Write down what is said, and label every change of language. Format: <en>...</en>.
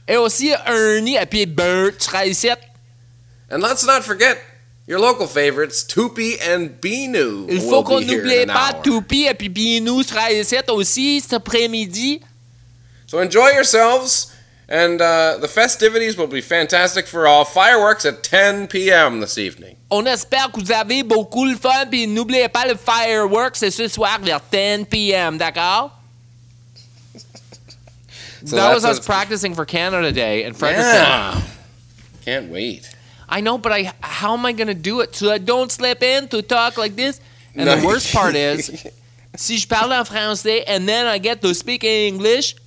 <fr>Et aussi Ernie et puis Bert sera ici.</fr> <en>And let's not forget your local favorites, Tupi and Binou.</en> <fr>Il faut qu'on n'oublie pas Tupi et puis Binou sera ici aussi cet après-midi.</fr> <en>So enjoy yourselves. And the festivities will be fantastic for all. Fireworks at 10 p.m. this evening.</en> <fr>On espère que vous avez beaucoup de fun, puis n'oubliez pas le fireworks, c'est ce soir vers 10 p.m., d'accord?</fr> <en>So that was us practicing for Canada Day in Fredericton. Yeah. Can't wait. I know, but how am I going to do it so I don't slip in to talk like this? And no. The worst part is,</en> <fr>si je parle en français</fr> <en>and then I get to speak English...</en>